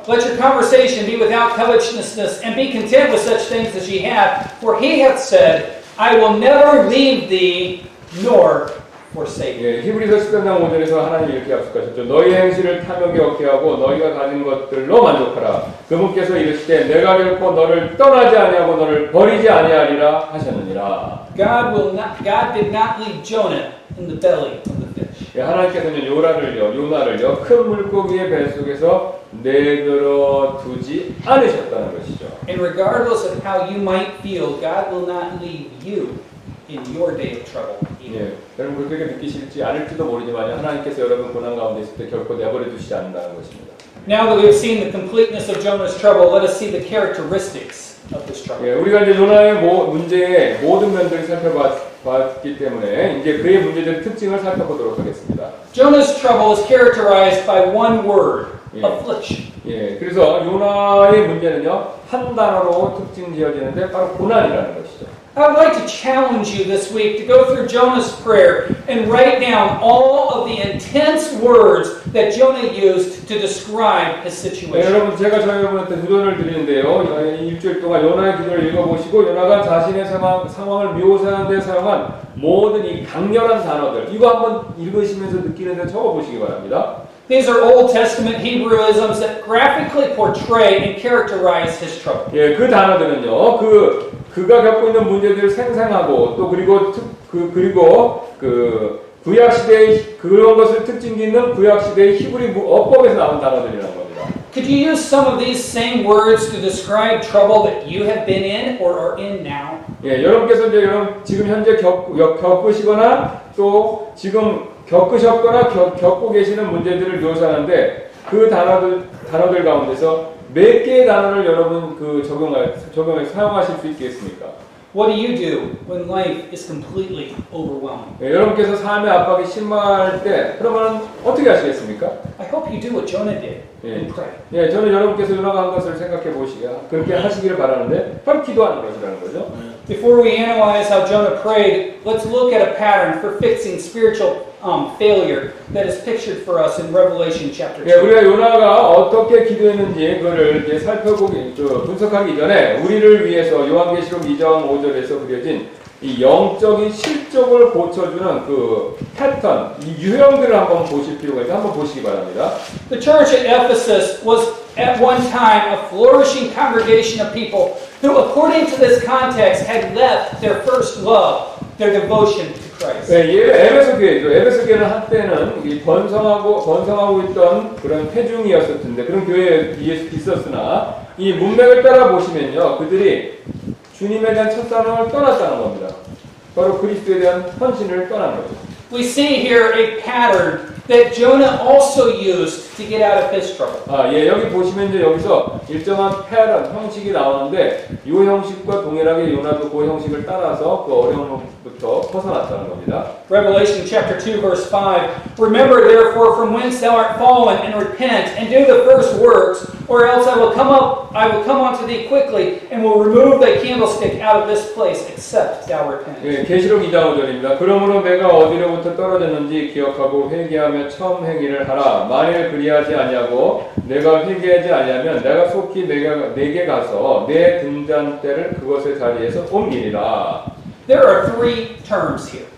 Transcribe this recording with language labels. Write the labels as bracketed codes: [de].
[en] Let your conversation be without covetousness and be content with such things as ye have, for he hath said, I will never leave thee nor forsake. [ko] 히브리서 13장 5절에서 하나님이 이렇게 약속하셨죠. 너희 행실을 탐욕이 없게 하고 너희가 가진 것들로 만족하라. 그분께서 이르시되 내가 결코 너를 떠나지 아니하고 너를 버리지 아니하리라 하셨느니라. [en] God did not leave Jonah in the belly of the fish. [ko] 하나님께서는 요나를요 큰 물고기의 배 속에서 내버려 두지 않으셨다는 것이죠. [en] And regardless of how you might feel, God will not leave you in your day of trouble. [ko] 예, 여러분 그렇게 느끼실지 않을지도 모르지만 하나님께서 여러분 고난 가운데 있을 때 결코 내버려 두시지 않는다는 것입니다. [en] Now that we have seen the completeness of Jonah's trouble, let us see the characteristics of this trouble. [ko] 예, 우리가 이제 요나의 문제의 모든 면들을 살펴봤기 때문에 이제 그의 문제들의 특징을 살펴보도록 하겠습니다. [en] Jonah's trouble is characterized by one word, affliction. [ko] 예, 그래서 요나의 문제는요 한 단어로 특징지어지는데 바로 고난이라는 것이죠. [en] I'd like to challenge you this week to go through Jonah's prayer and write down all of the intense words that Jonah used to describe his situation. [ko] 네, 여러분, 제가 저희 여러분한테 후원을 드리는데요. 일주일 동안 요나의 기도를 읽어보시고 요나가 자신의 상황을 묘사하는 데 사용한 모든 이 강렬한 단어들 이거 한번 읽으시면서 느끼는 데 적어보시기 바랍니다. [en] These are Old Testament Hebrewisms that graphically portray and characterize his trouble. [ko] 예, 그 단어들은요. 그가 겪고 있는 문제들을 생생하고 또 그리고 구약 시대의 그런 것을 특징 짓는 구약 시대의 히브리어 어법에서 나온 단어들이라는 겁니다. [en] Could you use some of these same words to describe trouble that you have been in or are in now? [ko] 예, 여러분께서 이제 여러분 지금 현재 겪으시거나 또 지금 겪으셨거나 겪고 계시는 문제들을 묘사하는데 그 단어들 가운데서 몇 개의 단어를 여러분 그 적용해 사용하실 수 있겠습니까? [en] What do you do when life is completely overwhelmed? [ko] 예, 여러분께서 삶의 압박이 심할 때 그러면 어떻게 하시겠습니까? [en] I hope you do what Jonah did. 예, pray. [ko] 예, 저는 여러분께서 요나가 한 것을 생각해 보시기가 그렇게 하시기를 바라는데 바로 기도하는 것이라는 거죠. [en] Before we analyze how Jonah prayed, let's look at a pattern for fixing spiritual failure that is pictured for us in Revelation chapter 2. [ko] 예, 우리가 요나가 어떻게 기도했는지 그거를 이제 살펴보기 분석하기 전에 우리를 위해서 요한계시록 2장 5절에서 그려진 이 영적인 실적을 고쳐주는 그 패턴, 이 유형들을 한번 보실 필요가 있어요. 한번 보시기 바랍니다. [en] The church at Ephesus was at one time a flourishing congregation of people who, according to this context, had left their first love, their devotion to Christ. [ko] 네, 예, 에베소 교회는 한때는 이 번성하고 있던 그런 회중이었을 텐데 그런 교회에 있었으나 이 문맥을 따라 보시면요 그들이 주님에 대한 첫사랑을 떠났다는 겁니다. 바로 그리스도에 대한 헌신을 떠난 거죠. [en] We see here a pattern that Jonah also used to get out of his trouble. [ko] 아, 예, 여기 보시면 이제 여기서 일정한 패턴 형식이 나오는데 이 형식과 동일하게 요나도 그 형식을 따라서 그 어려움부터 벗어났다는 겁니다. [en] Revelation chapter 2 verse 5. Remember therefore from whence thou art fallen and repent and do the first works or else I will come unto thee quickly and will remove thy candlestick out of this place except thou repent. [ko] 예, 계시록 2장 5절입니다. 그러므로 내가 어디로부터 떨어졌는지 기억하고 회개하며 처음 행위를 하라. 만일 그리하지 아니하고 내가 회개하지 아니하면 내가 속히 내게 가서 내 등잔대를 그것의 자리에서 옮기리라. [en] There are three terms here.